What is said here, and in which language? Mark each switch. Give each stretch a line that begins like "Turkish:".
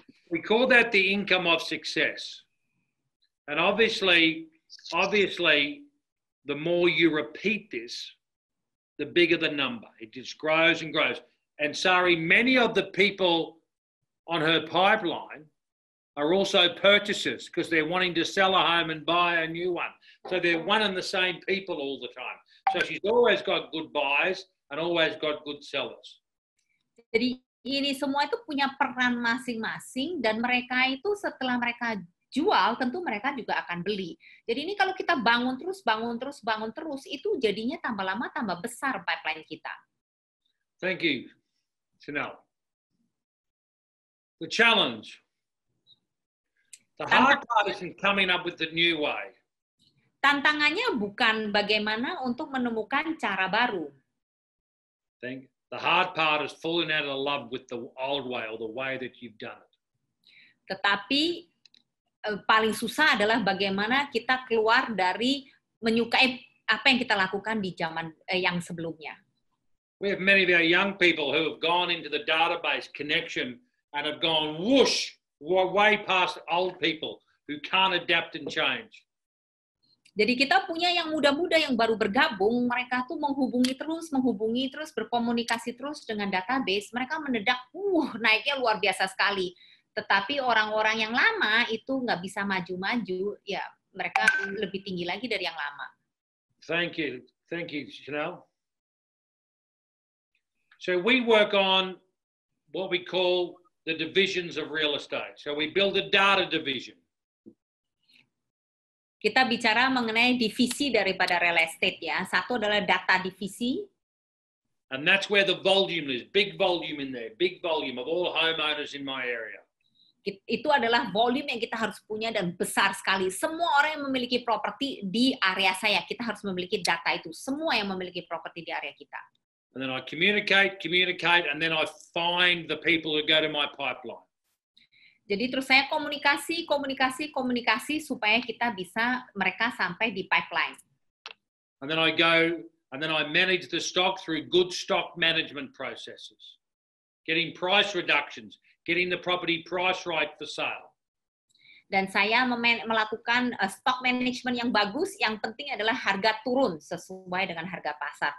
English: We call that the income of success. And obviously, the more you repeat this, the bigger the number. It just grows and grows. And sorry, many of the people on her pipeline are also purchasers because they're wanting to sell a home and buy a new one. So they're one and the same people all the time. So she's always got good buyers and always got good sellers.
Indonesian: Jadi ini semua itu punya peran masing-masing dan mereka itu setelah mereka jual, tentu mereka juga akan beli. Jadi ini kalau kita bangun terus, bangun terus, bangun terus, itu jadinya tambah lama, tambah besar pipeline kita.
English: Thank you, Chanel. The challenge. The hard part is in coming up with the new way.
Indonesian: Tantangannya bukan bagaimana untuk menemukan cara baru.
English: The hard part is falling out of love with the old way or the way that you've done it.
Indonesian: Tetapi paling susah adalah bagaimana kita keluar dari menyukai apa yang kita lakukan di zaman yang sebelumnya.
English: We have many of our young people who have gone into the database connection and have gone whoosh, way past old people who can't adapt and change.
Indonesian: Jadi kita punya yang muda-muda yang baru bergabung, mereka tuh menghubungi terus, berkomunikasi terus dengan database, mereka mendadak, naiknya luar biasa sekali. Tetapi orang-orang yang lama itu nggak bisa maju-maju, ya mereka lebih tinggi lagi dari yang lama.
English: Thank you, Chanel. So we work on what we call the divisions of real estate. So we build a data division.
Indonesian: Kita bicara mengenai divisi daripada real estate ya. Satu adalah data divisi.
English: And that's where the volume is. Big volume in there. Big volume of all homeowners in my area.
Indonesian: Itu adalah volume yang kita harus punya dan besar sekali. Semua orang yang memiliki properti di area saya, kita harus memiliki data itu. Semua yang memiliki properti di area kita.
English: And then I communicate, and then I find the people who go to my pipeline.
Indonesian: Jadi terus saya komunikasi supaya kita bisa mereka sampai di pipeline.
English: And then I go and then I manage the stock through good stock management processes. Getting price reductions, getting the property price right for sale.
Indonesian: Dan saya melakukan stock management yang bagus, yang penting adalah harga turun sesuai dengan harga pasar.